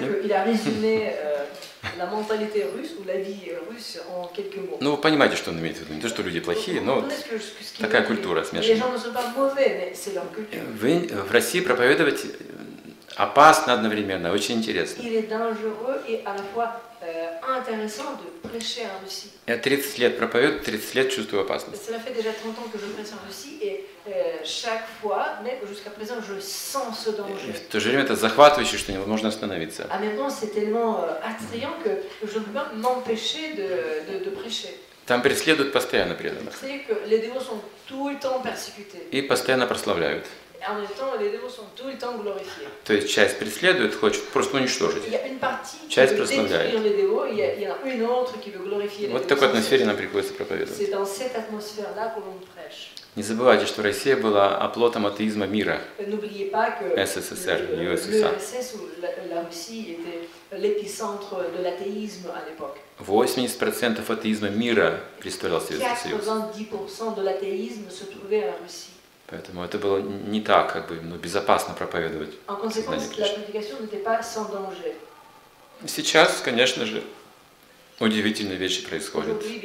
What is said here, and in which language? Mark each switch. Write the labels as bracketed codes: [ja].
[fr] C'est-à-dire qu'il a résumé la mentalité russe, ou la vie russe, en quelques mots. [ru] Ну, вы понимаете, что он имеет в виду. Не то, что люди плохие, но такая культура смешанная. [fr] Les gens ne sont pas mauvais, mais c'est leur culture. [ru] В России проповедовать... Опасно одновременно, очень интересно. [fr] Il est dangereux et à la fois intéressant de prêcher en Russie. [ru] Я 30 лет проповедую, 30 лет чувствую опасность. [fr] Cela fait déjà 30 ans que je prêche en Russie et chaque fois, mais jusqu'à présent, je sens ce danger. [ru] В то же время это захватывающе, что невозможно остановиться. А [fr] maintenant, c'est tellement attrayant que je ne peux pas m'empêcher de prêcher. [ru] Там преследуют постоянно преданных. [fr] C'est-à-dire que les dévots sont tout le temps persécutés. [ru] И постоянно прославляют. [fr] En même temps, les dévots sont tout le temps glorifiés. [ru] То есть часть преследует, хочет просто уничтожить. [fr] Il y a une partie qui veut détruire les dévots, il y en a une autre qui veut glorifier les dévots. [ru] Вот такой атмосфере нам приходится проповедовать. [fr] C'est dans cette atmosphère-là que l'on prêche. [ru] Не забывайте, что Россия была оплотом атеизма мира. [fr] N'oubliez pas que [ru] СССР, [fr] la Russie était l'épicentre de l'athéisme à l'époque. [ru] 80% атеизма мира представлял Советский Союз. [fr] 80% de l'athéisme se trouvait en Russie. [ru] Поэтому это было не так, как бы, ну, безопасно проповедовать. [fr] En conséquence, la prédication n'était pas sans danger. [ru] Сейчас, конечно же, удивительные вещи происходят.